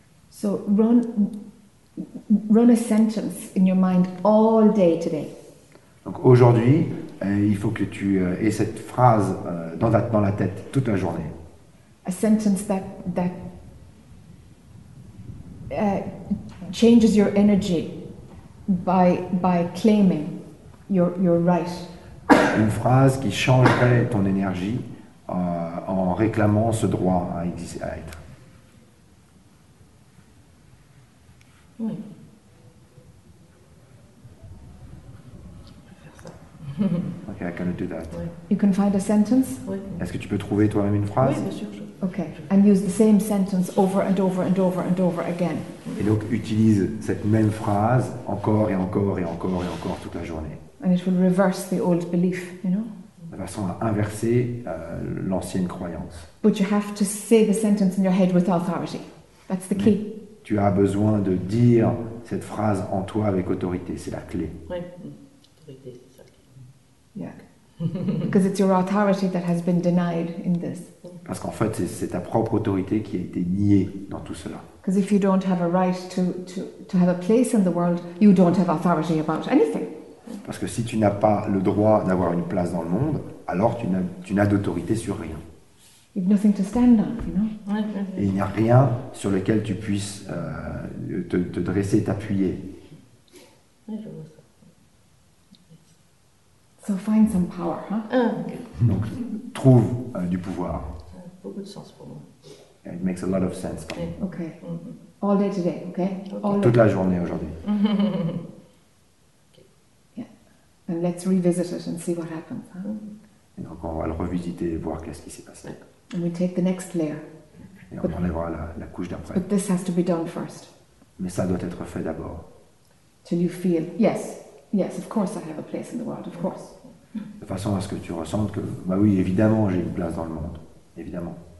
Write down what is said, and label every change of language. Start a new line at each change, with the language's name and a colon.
English: So run a sentence in your mind all day today.
French: Donc aujourd'hui, il faut que tu aies cette phrase dans la tête toute la journée.
English: A sentence that changes your energy by claiming your right.
French: Une phrase qui changerait ton énergie en réclamant ce droit à exister, à être. Oui.
English: Ok, I can do that. You can find a sentence.
French: Oui. Est-ce que tu peux trouver toi-même une phrase? Oui, bien sûr.
English: Ok, and use the same sentence over and over and over and over again.
French: Et donc utilise cette même phrase encore et encore et encore et encore toute la journée.
English: And it will reverse the old belief, you know.
French: De façon à inverser l'ancienne croyance.
English: But you have to say the sentence in your head with authority. That's the key.
French: Tu as besoin de dire cette phrase en toi avec autorité. C'est la clé. Oui, autorité.
English: Yeah. Because it's your authority that has been denied in this.
French: Parce qu'en fait, c'est ta propre autorité qui a été niée dans tout cela.
English: Because if you don't have a right to have a place in the world, you don't have authority about anything.
French: Parce que si tu n'as pas le droit d'avoir une place dans le monde, alors tu n'as d'autorité sur rien.
English: You've nothing to stand on, you know.
French: Et il n'y a rien sur lequel tu puisses te dresser, t'appuyer.
English: So find some power, huh?
French: Donc trouve du pouvoir. Beaucoup de sens pour moi.
English: It makes a lot of sense. Okay. Okay. Mm-hmm. All day today, okay? All
French: toute
English: day.
French: La journée aujourd'hui.
English: Okay. Yeah. And let's revisit it and see what happens. Huh?
French: Et donc on va le revisiter et voir qu'est-ce qui s'est passé.
English: And we take the next layer.
French: Et on enlèvera la couche d'après.
English: But this has to be done first.
French: Mais ça doit être fait d'abord.
English: Till you feel, yes, yes, of course I have a place in the world, of course.
French: De façon à ce que tu ressentes que, bah oui, évidemment j'ai une place dans le monde, évidemment.